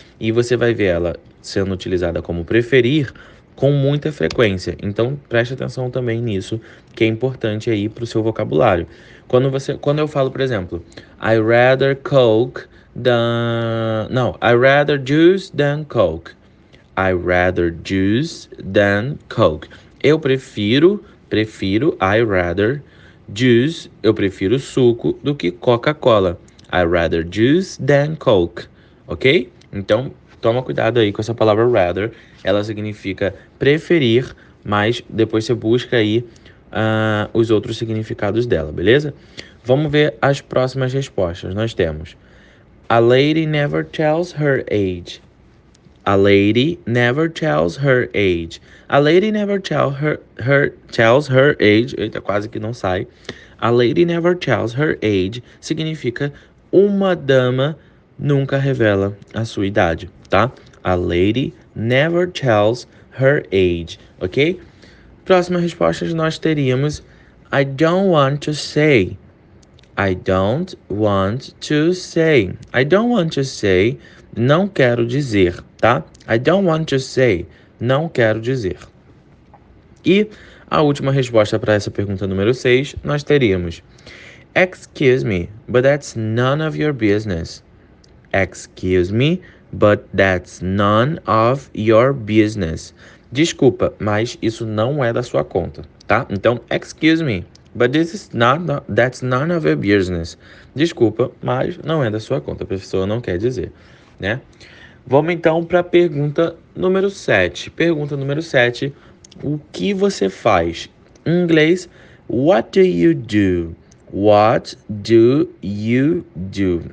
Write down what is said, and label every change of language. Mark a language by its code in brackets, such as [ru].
[pt] E você vai ver ela sendo utilizada como preferir com muita frequência. Então preste atenção também nisso, que é importante aí para o seu vocabulário. Quando eu falo, por exemplo, [en] I rather coke than. Não, I rather juice than coke. I rather juice than coke. [pt] Eu prefiro, [en] I rather juice, [pt] eu prefiro suco do que Coca-Cola. [en] I rather juice than coke. Ok? [pt] Então, toma cuidado aí com essa palavra rather. Ela significa preferir, mas depois você busca aí os outros significados dela, beleza? Vamos ver as próximas respostas. Nós temos: [en] A lady never tells her age. A lady never tells her age. A lady never tells her age. [pt] Eita, quase que não sai. [en] A lady never tells her age [pt] significa uma dama nunca revela a sua idade, tá? [en] A lady never tells her age, ok? [pt] Próxima resposta nós teríamos [en] I don't want to say. I don't want to say. I don't want to say. [pt] Não quero dizer, tá? [en] I don't want to say. [pt] Não quero dizer. E a última resposta para essa pergunta número 6, nós teríamos: [en] Excuse me, but that's none of your business. Excuse me, but that's none of your business. [pt] Desculpa, mas isso não é da sua conta, tá? [en] Então, excuse me, but this is not, that's none of your business. [pt] Desculpa, mas não é da sua conta. A pessoa não quer dizer, né? Vamos então para a pergunta número 7. Pergunta número 7, o que você faz? Em inglês, [en] what do you do? What do you do?